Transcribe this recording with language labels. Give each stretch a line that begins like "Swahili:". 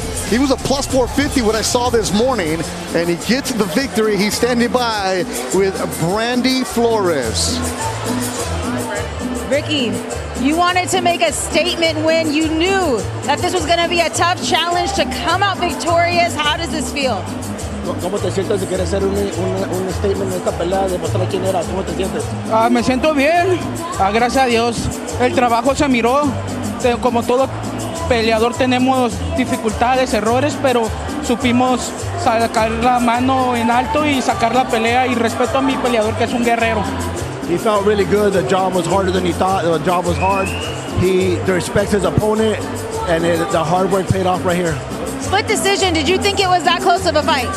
English: He was a plus 450 when I saw this morning, and he gets the victory. He's standing by with Brandy Flores. Ricky, you wanted to make a statement when you knew that this was going to be a tough challenge to come out victorious. How does this feel?
Spanish: ¿Cómo te sientes si quieres hacer un statement en esta pelea de mostrar quién era? ¿Cómo te sientes? Me siento bien, gracias a Dios. El trabajo se miró, como todo peleador tenemos dificultades, errores, pero supimos sacar la mano en alto y sacar la pelea, y respeto a mi peleador que es un guerrero.
English: He felt really good, the job was harder than he thought, the job was hard. He respects his opponent, and the hard work paid off right here. Split decision, did you think it was that close of a fight?